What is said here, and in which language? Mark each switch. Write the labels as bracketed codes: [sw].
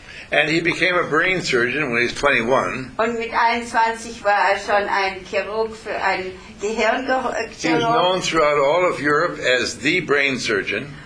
[en] And he became a brain surgeon when he was 21. [de] Und mit 21 war schon ein Chirurg für ein Gehirnchirurg. [en] He was known throughout all of Europe as the brain surgeon.